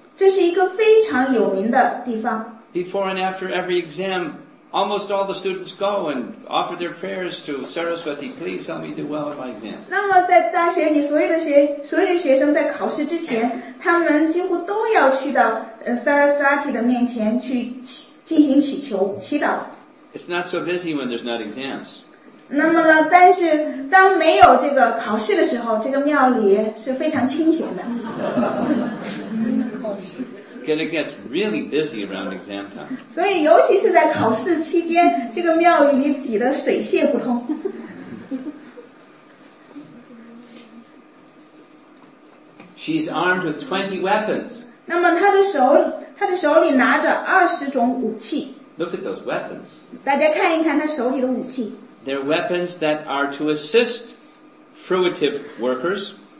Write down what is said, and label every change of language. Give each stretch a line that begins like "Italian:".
Chinese: 这是一个非常有名的地方。
English: Before and after every exam, almost all the students go and offer their prayers to Saraswati, please help me do well at my exam.
Chinese: 那么在大学里，所有的学生在考试之前，他们几乎都要去到Saraswati 的面前去进行祈求祈祷。
English: It's not so busy when there's not exams.
Chinese: 那么呢，但是当没有这个考试的时候，这个庙里是非常清闲的。
English: And it gets really busy around exam time.
Chinese: 所以尤其是在考试期间，这个庙宇里挤得水泄不通。
English: She's armed with 20 weapons.
Chinese: 那么她的手里拿着20种武器。
English: Look at those weapons.
Chinese: 大家看一看她手里的武器。
English: They're weapons that are to assist fruitive workers.